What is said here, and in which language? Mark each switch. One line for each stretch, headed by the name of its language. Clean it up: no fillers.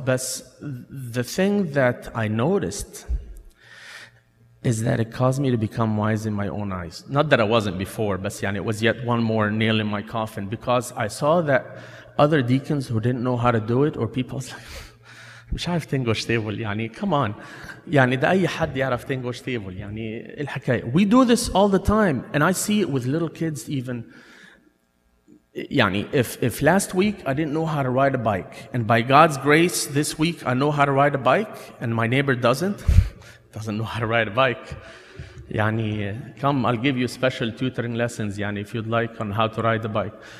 English: But the thing that I noticed is that it caused me to become wise in my own eyes. Not that I wasn't before, but yani, it was yet one more nail in my coffin, because I saw that other deacons who didn't know how to do it, or people was like,
Arabic: مش عارف تنقش تيبل يعني,
English: come on.
Arabic: يعني ده أي حد يعرف تنقش تيبل يعني الحكاية.
English: We do this all the time, and I see it with little kids even.
Arabic: يعني
English: if last week I didn't know how to ride a bike, and by God's grace this week I know how to ride a bike, and my neighbor doesn't know how to ride a bike, يعني come, I'll give you special tutoring lessons يعني if you'd like on how to ride a bike.